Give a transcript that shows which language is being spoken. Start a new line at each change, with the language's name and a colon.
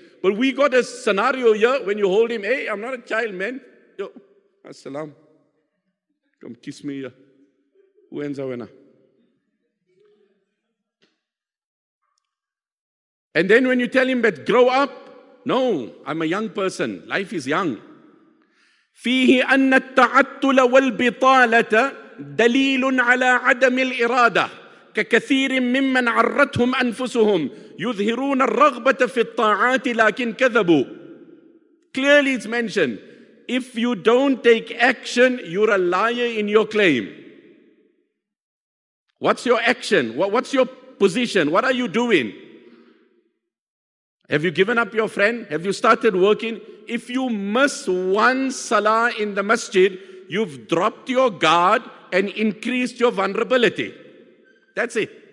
English: But we got a scenario here when you hold him, hey, I'm not a child, man. Yo, assalam. Come kiss me here. Who ends up in a... And then when you tell him that grow up, no, I'm a young person. Life is young.
Arabic: فيه أن التعطل والبطالة دليل على عدم الإرادة ككثير ممن عرتهم أنفسهم يظهرون الرغبة في الطاعات لكن كذبوا.
English: Clearly it's mentioned. If you don't take action, you're a liar in your claim. What's your action? What's your position? What are you doing? Have you given up your friend? Have you started working? If you miss one salah in the masjid, you've dropped your guard and increased your vulnerability. That's it.